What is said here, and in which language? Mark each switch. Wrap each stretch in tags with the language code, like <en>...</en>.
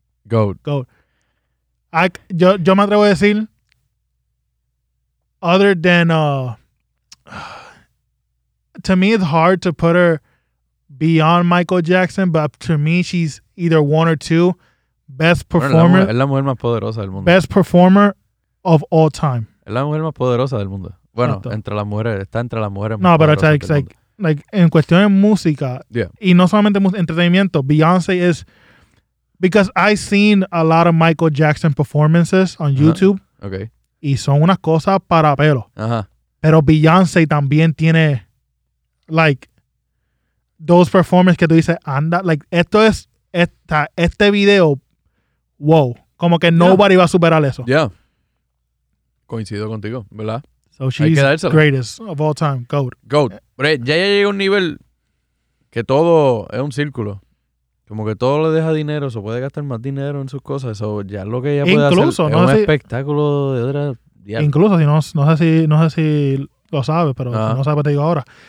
<es>Yo me atrevo a decir,</es> <en>other than, to me it's hard to put her beyond Michael Jackson, but to me she's either one or two. Best performer.</en> <es>Bueno, es la mujer más poderosa del mundo.</es> <en>Best performer of all time.</en> <es>Es la mujer más poderosa del mundo. Bueno, exacto. Entre las mujeres. Está entre las mujeres más no, poderosas. No, pero es like, en cuestión de música.</es> <en>Yeah.</en> <es>Y no solamente entretenimiento. Beyoncé es...</es> <en>Because I've seen a lot of Michael Jackson performances on YouTube. Okay.</en> <es>Y son unas cosas para pelo. Ajá. Pero Beyoncé también tiene... Like...</es> <en>Those performances</en> <es>que tú dices, anda... Like, esto es... Este video... Wow, como que nobody va a superar eso. Yeah. Coincido contigo, ¿verdad?</es> <en>So she's the greatest of all time, GOAT. GOAT.</en> <es>Pero ya llega un nivel que todo es un círculo. Como que todo le deja dinero, se puede gastar más dinero en sus cosas. Eso ya es lo que ella puede incluso, hacer. Incluso, ¿no? Es un si, espectáculo de otra.</es> <en>Yeah.</en> <es>Incluso, si no sé si lo sabes, pero no sabes, te digo ahora.</es>